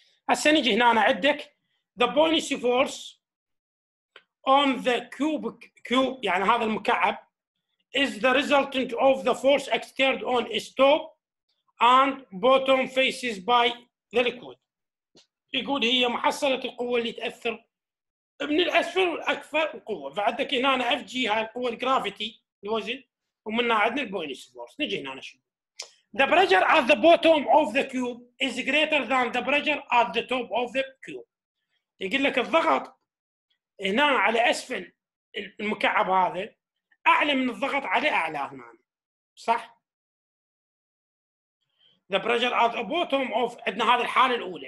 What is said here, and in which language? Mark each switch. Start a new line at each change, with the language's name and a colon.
Arabic: هسه نجي هنا عندك
English: the buoyancy force on the cube
Arabic: يعني هذا المكعب
English: is the resultant of the force exerted on its top and bottom faces by the liquid.
Arabic: يقول هي محصلة القوة اللي تأثر من الأسفل والأكثر القوة. فعندك هنا أنا FG هاي القوة الجرافيتي الوزن ومنها عندنا البوينس فورس. نجي هنا نشوف
English: the pressure at the bottom of the cube is greater than the pressure at the top of the cube.
Arabic: يقول لك الضغط هنا على أسفل المكعب هذا أعلى من الضغط على أعلى هنا صح؟
English: The pressure at the bottom of
Arabic: عندنا هذه الحالة الأولى.